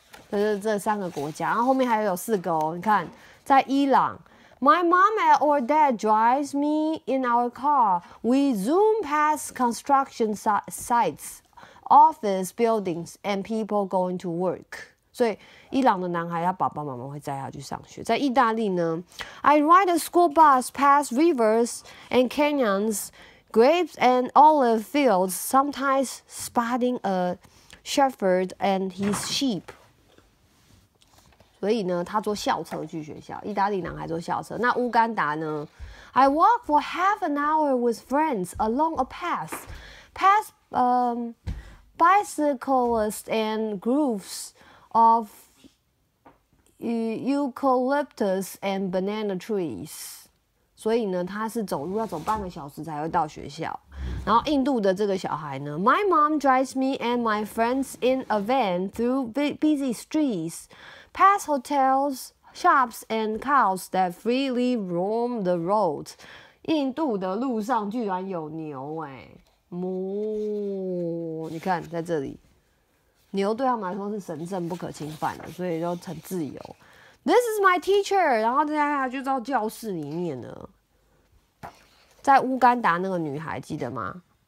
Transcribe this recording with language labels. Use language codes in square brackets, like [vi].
[zh] 这三个国家，然后后面还有四个哦。你看，在伊朗。 [en] My mom or dad drives me in our car. We zoom past construction sites, office buildings, and people going to work. [zh] 所以伊朗的男孩他爸爸妈妈会载他去上学。在意大利呢 [en] ，I ride a school bus past rivers and canyons, grapes and olive fields. Sometimes spotting a shepherd and his sheep. [zh] 所以呢，他坐校车去学校。意大利男孩坐校车。那乌干达呢 ？ [en] I walk for half an hour with friends along a path, past bicyclists and groups of eucalyptus and banana trees。 [zh] 所以呢，他是走路要走半个小时才会到学校。然后印度的这个小孩呢 [en] ，My mom drives me and my friends in a van through busy streets. Past hotels, shops, and cows that freely roam the roads. [zh] 印度的路上居然有牛欸。哦，你看在这里，牛对他们来说是神圣不可侵犯的，所以就很自由。 [en] This is my teacher. [zh] 然后接下来就到教室里面了。在乌干达那个女孩记得吗？